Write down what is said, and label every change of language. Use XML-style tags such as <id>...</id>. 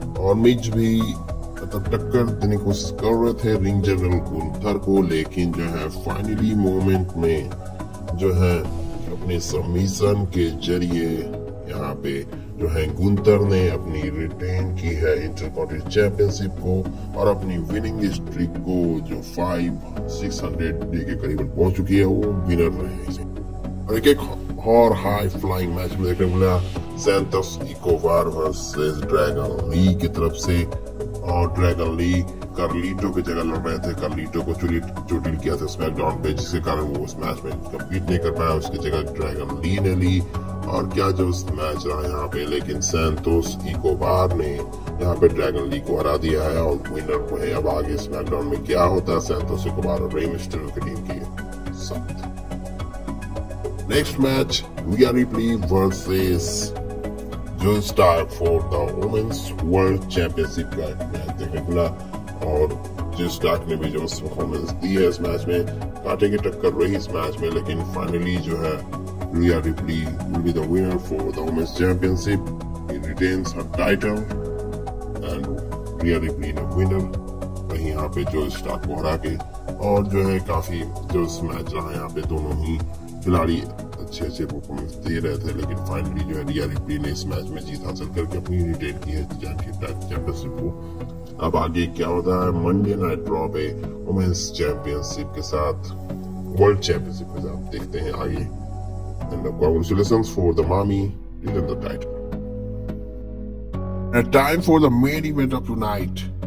<hi>Aur Miz bhi matlab takkar dene ki koshish kar rahe the ring general Gunther ko, lekin jo hai finally moment mein jo hai apne submission ke jariye yahan pe jo hai Gunther ne apni retain ki hai Intercontinental Championship ko aur apni winning streak ko jo 500-600 के करीबन पहुंच चुकी है वो winner रहे इसे. और एक और हाई फ्लाइंग मैच में देखने को मिला सैंटोस इकोवार वर्सेस ड्रैगन ली की तरफ से. और ड्रैगन ली कार्लिटो की जगह लड़ रहे थे, कार्लिटो को चोटिल किया था स्मैकडाउन पे जिसके कारण वो उस मैच में कम्पीट नहीं कर पाया, उसकी जगह ड्रैगन ली ने ली. और क्या जो उस मैच रहा यहाँ पे, लेकिन सैंटोस इकोवार ने यहाँ पे ड्रैगन ली को हरा दिया है और विनर को है. अब आगे स्मैकडाउन में क्या होता है सैंटोस इकोवार और रे मिस्टीरियो की टीम के साथ. नेक्स्ट मैच रिया रिपली वर्सेस जो star for the women's world championship का मैच देखने को मिला. और जो स्टार ने भी जो परफॉर्मेंस दी है इस मैच में, कांटे की टक्कर रही इस मैच में, लेकिन फाइनली जो है</hi> <en>Rhea Ripley will be the winner for the Women's Championship. He retains her title and Rhea Ripley the winner.</en> <hi>वहीं यहाँ पे जो स्टार को हरा के और जो है काफी जो मैच रहा यहाँ पे दोनों ही खिलाड़ी अच्छे अच्छे परफॉर्मेंस दे रहे थे, लेकिन फाइनली जो है Rhea Ripley ने इस मैच में जीत हासिल करके अपनी रिटेन की है चैंपियनशिप को. अब आगे क्या होता है मंडे नाइट ड्रॉ पे वुमेन्स चैंपियनशिप के साथ वर्ल्ड चैंपियनशिप के साथ, देखते हैं आगे.</hi> <en>And congratulations for the mommy winning the title. And time for the main event of tonight.</en>